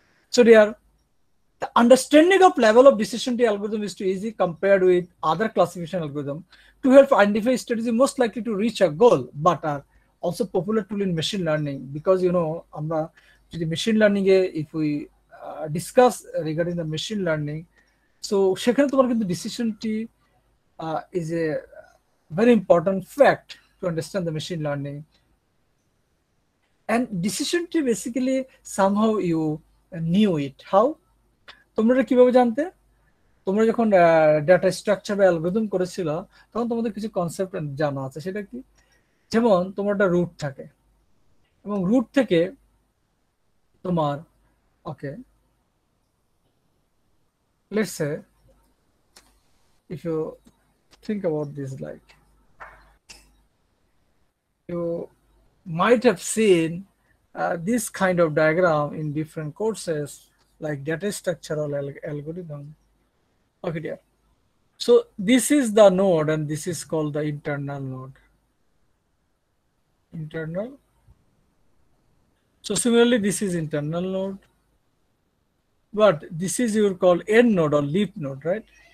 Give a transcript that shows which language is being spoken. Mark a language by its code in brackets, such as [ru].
[en] So dear, the understanding of level of decision tree algorithm is too easy compared with other classification algorithm to help identify strategy most likely to reach a goal, but are also popular tool in machine learning because, you know, [bn] amra jodi machine learning e [en] if we discuss regarding the machine learning, so [bn] shekhane tomar kintu [en] decision tree is a very important fact to understand the machine learning. And decision tree basically somehow you knew it, how? [bn] তোমরা কিভাবে জানতে? তোমরা যখন data structure বা algorithm করেছিল তখন তোমাদের কিছু কনসেপ্ট জানা আছে, সেটা কি? যেমন তোমার একটা রুট থাকে এবং রুট থেকে তোমার, [en] Okay, let's say if you think about this, like you might have seen this kind of diagram in different courses like data structural algorithm. Okay dear, so this is the node and this is called the internal node, internal. So similarly this is internal node, but this is your called end node or leaf node, right?